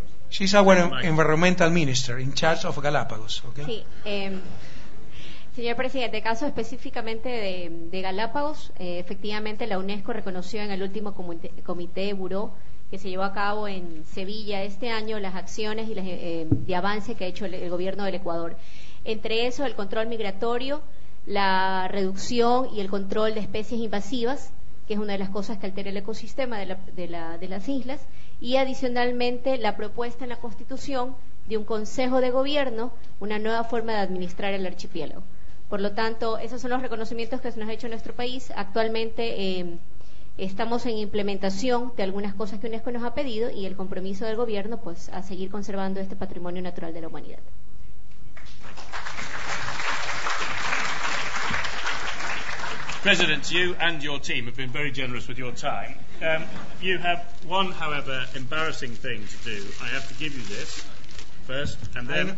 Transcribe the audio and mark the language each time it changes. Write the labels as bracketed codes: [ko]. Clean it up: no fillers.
[en] She's our environmental minister in charge of Galápagos, okay? [es] Sí, señor presidente, caso específicamente de Galápagos, efectivamente la UNESCO reconoció en el último comité de buró que se llevó a cabo en Sevilla este año las acciones y las de avance que ha hecho el gobierno del Ecuador. Entre eso, el control migratorio, la reducción y el control de especies invasivas, que es una de las cosas que altera el ecosistema de las islas, y adicionalmente la propuesta en la Constitución de un Consejo de Gobierno, una nueva forma de administrar el archipiélago. Por lo tanto, esos son los reconocimientos que se nos ha hecho en nuestro país. Actualmente estamos en implementación de algunas cosas que UNESCO nos ha pedido y el compromiso del Gobierno pues a seguir conservando este patrimonio natural de la humanidad. [en] President, you and your team have been very generous with your time. You have one, however, embarrassing thing to do. I have to give you this first, and then